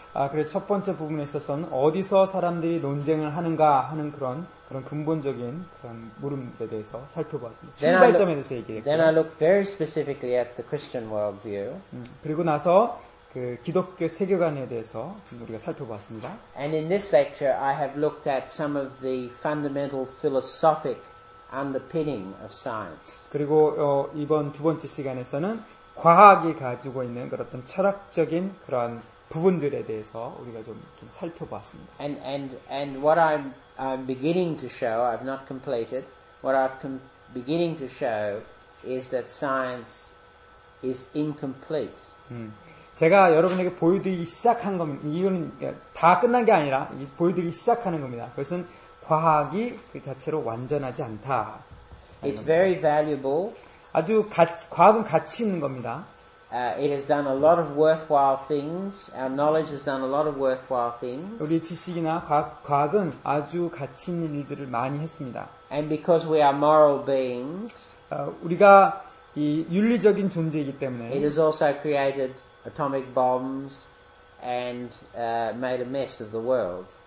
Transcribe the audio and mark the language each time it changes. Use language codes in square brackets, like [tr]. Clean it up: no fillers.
[ko] 그래서 첫 번째 부분에 있어서는 어디서 사람들이 논쟁을 하는가 하는 그런 근본적인 그런 물음에 대해서 살펴보았습니다. 출발점에 대해서 얘기했고요. [en] Then I look very specifically at the Christian worldview. [ko] 그리고 나서 그 기독교 세계관에 대해서 우리가 살펴보았습니다. [en] And in this lecture, I have looked at some of the fundamental philosophic underpinning of science. [ko] 그리고 이번 두 번째 시간에서는 과학이 가지고 있는 그런 어떤 철학적인 그런 부분들에 대해서 우리가 좀 살펴보았습니다. [en] And what I'm beginning to show, I've not completed. What I've beginning to show is that science is incomplete. [ko] 제가 여러분에게 보여드리기 시작한 겁니다. 이거는 다 끝난 게 아니라 보여드리기 시작하는 겁니다. 그것은 과학이 그 자체로 완전하지 않다. [en] It's very valuable. [ko] 아주 과학은 가치 있는 겁니다. [en] It has done a lot of worthwhile things. Our knowledge has done a lot of worthwhile things. [ko] 우리 지식이나 과학은 아주 가치 있는 일들을 많이 했습니다. [en] And because we are moral beings, [ko] 우리가 이 윤리적인 존재이기 때문에, [en] it has also created atomic bombs and made a mess of the world.